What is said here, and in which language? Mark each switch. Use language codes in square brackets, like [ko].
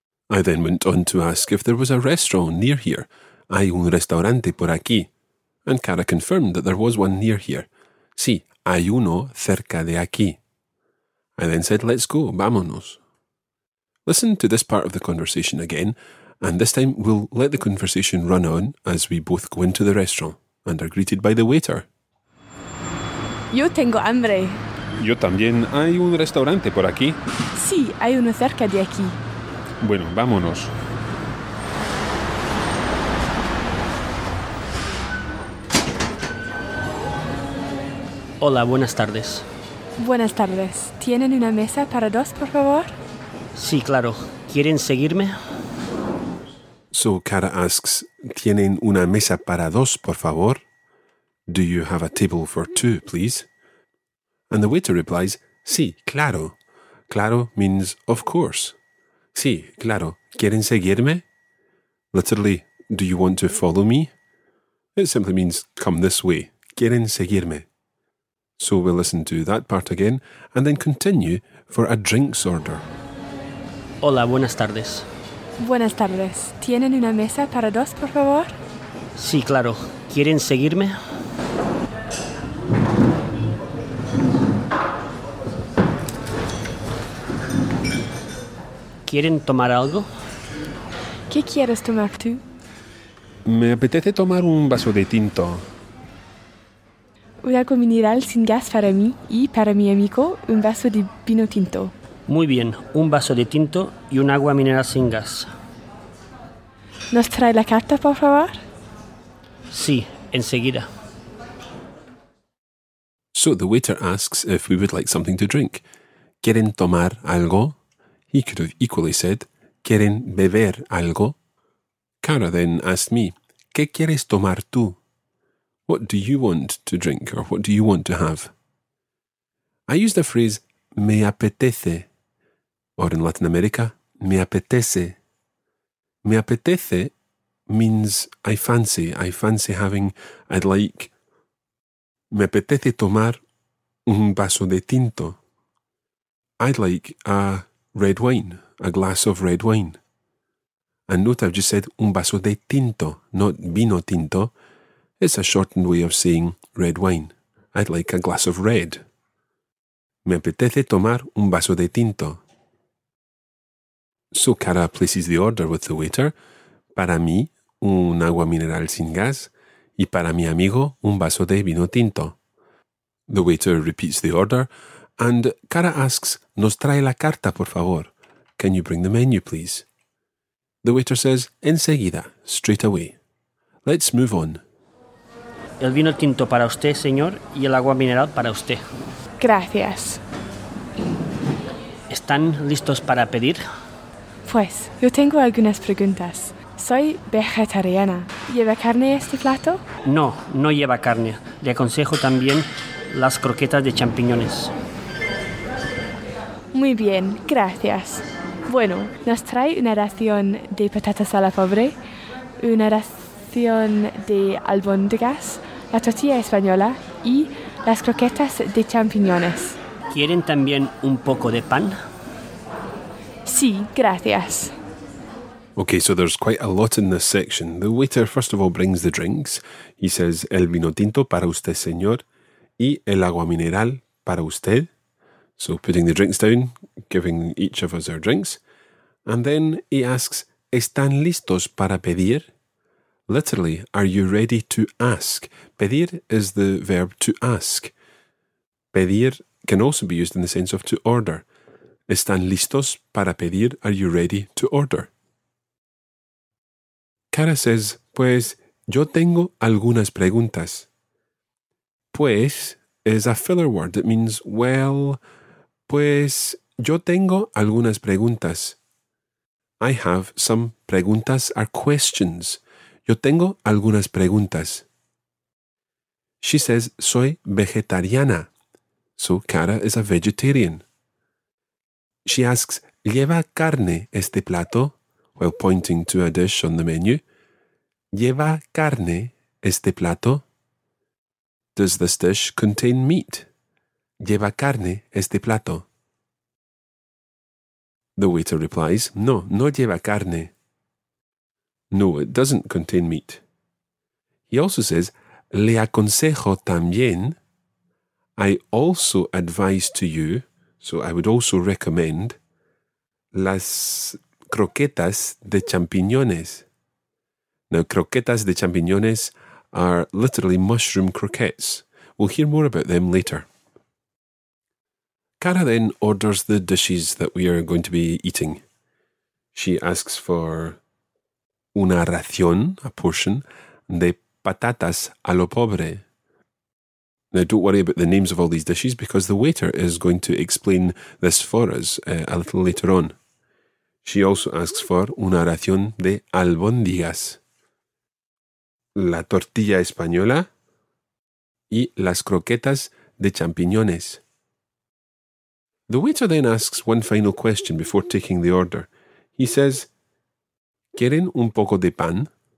[en] I then went on to ask if there was a restaurant near here. [es] Hay un restaurante por aquí. [en] And Cara confirmed that there was one near here. [es] Sí, hay uno cerca de aquí. [en] I then said, let's go, [es] vámonos. [en] Listen to this part of the conversation again, and this time we'll let the conversation run on as we both go into the restaurant and are greeted by the waiter. [es] Yo tengo hambre. Yo también. ¿Hay un restaurante por aquí? Sí, hay uno cerca de aquí. Bueno, vámonos. Hola, buenas tardes. Buenas tardes. ¿Tienen una mesa para dos, por favor? Sí, claro. ¿Quieren seguirme? [en] So, Cara asks, [es] ¿tienen una mesa para dos, por favor? [en] Do you have a table for two, please? And the waiter replies, [es] sí, claro. [en] Claro means, of course. [es] Sí, claro. ¿Quieren seguirme? [en] Literally, do you want to follow me? It simply means, come this way. [es] ¿Quieren seguirme? [en] So we'll listen to that part again and then continue for a drinks order. [es] Hola, buenas tardes. Buenas tardes. ¿Tienen una mesa para dos, por favor? Sí, claro. ¿Quieren seguirme? ¿Quieren tomar algo? ¿Qué quieres tomar tú? Me apetece tomar un vaso de tinto. Un agua mineral sin gas para mí y para mi amigo un vaso de vino tinto. Muy bien, un vaso de tinto y un agua mineral sin gas. ¿Nos trae la carta, por favor? Sí, enseguida. [en] So the waiter asks if we would like something to drink. [es] ¿Quieren tomar algo? [en] He could have equally said, [es] ¿quieren beber algo? [en] Cara then asked me, [es] ¿qué quieres tomar tú? [en] What do you want to drink, or what do you want to have? I used the phrase, [es] me apetece, [en] or in Latin America, me apetece. [es] Me apetece [en] means I fancy having, I'd like. [es] Me apetece tomar un vaso de tinto. [en] I'd like a red wine, a glass of red wine. And note I've just said [es] un vaso de tinto, [en] not [es] vino tinto. [en] It's a shortened way of saying red wine. I'd like a glass of red. [es] Me apetece tomar un vaso de tinto. [en] So Cara places the order with the waiter. [es] Para mí, un agua mineral sin gas. Y para mi amigo, un vaso de vino tinto. [en] The waiter repeats the order, and Cara asks, [es] Nos trae la carta, por favor? [en] Can you bring the menu, please? The waiter says, [es] Enseguida, [en] straight away. Let's move on. [es] El vino tinto para usted, señor, y el agua mineral para usted. Gracias. ¿Están listos para pedir? Pues, yo tengo algunas preguntas. Soy vegetariana. ¿Lleva carne este plato? No, no lleva carne. Le aconsejo también las croquetas de champiñones. Muy bien, gracias. Bueno, ¿nos trae una ración de patatas a la pobre? ¿Una ración de albóndigas? ¿La tortilla española? ¿Y las croquetas de champiñones? ¿Quieren también un poco de pan? Sí, gracias. [en] Okay, so there's quite a lot in this section. The waiter, first of all, brings the drinks. He says, [es] el vino tinto para usted, señor, y el agua mineral para usted. [en] So putting the drinks down, giving each of us our drinks. And then he asks, [es] ¿están listos para pedir? [en] Literally, are you ready to ask? Pedir is the verb to ask. Pedir can also be used in the sense of to order. [es] ¿Están listos para pedir? [en] Are you ready to order? Cara says, [es] pues, yo tengo algunas preguntas. [en] Pues is a filler word that means, well, [es] pues, yo tengo algunas preguntas. [en] I have some preguntas are questions. [es] Yo tengo algunas preguntas. [en] She says, [es] soy vegetariana. [en] So Cara is a vegetarian. She asks, [es] ¿lleva carne este plato? [en] While pointing to a dish on the menu. [es] ¿Lleva carne este plato? [en] Does this dish contain meat? [es] ¿Lleva carne este plato? [en] The waiter replies, [es] No, no lleva carne. [en] No, it doesn't contain meat. He also says, [es] Le aconsejo también. [en] I also advise to you, so I would also recommend, [es] las croquetas de champiñones. [en] Now, [es] croquetas de champiñones [en] are literally mushroom croquettes. We'll hear more about them later. Cara then orders the dishes that we are going to be eating. She asks for [es] una ración, [en] a portion, [es] de patatas a lo pobre. [en] Now, don't worry about the names of all these dishes because the waiter is going to explain this for us a little later on. She also asks for [es] una ración de albóndigas. La tortilla española y las croquetas de champiñones. [en] The waiter then asks one final question before taking the order. He says, [es] ¿Quieren un poco de pan?